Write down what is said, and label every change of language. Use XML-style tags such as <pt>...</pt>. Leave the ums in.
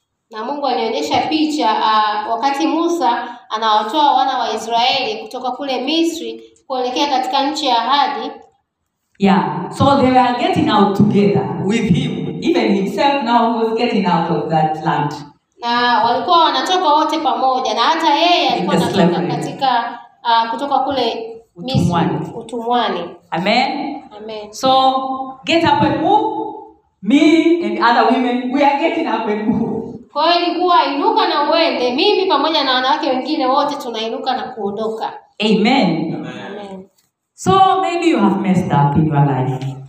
<sw>na mungu alionyesha picha uh, wakati musa anawatoa wana wa kutoka kule misri kuelekea katika nchi ya ahadi yeah.</sw> <en>So they were getting out together with him, even himself now was getting out of that land.</en> <sw>Na walikuwa wanatoka wote na hata yeye alikuwa anatoka katika kutoka kule utumwani. Utumwani. Amen.</sw> <en>Amen. So get up and move. Me and other women, we are getting up and move.</en> <sw>Kwa hiyo inuka na uende, mimi pamoja na wanawake wengine wote tunainuka na kuondoka. Amen. Amen.</sw> <en>So maybe you have messed up in your life.</en>